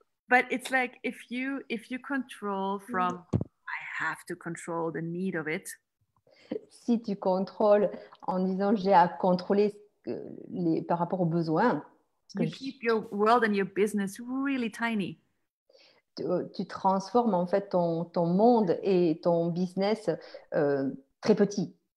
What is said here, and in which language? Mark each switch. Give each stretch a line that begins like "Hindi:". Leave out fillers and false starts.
English: But it's like if you control from I have to control the need of it.
French: Si tu contrôles en disant j'ai à contrôler par rapport aux besoins,
English: keep your world and your business really tiny.
French: Tu transformes en fait ton monde et ton business très petit,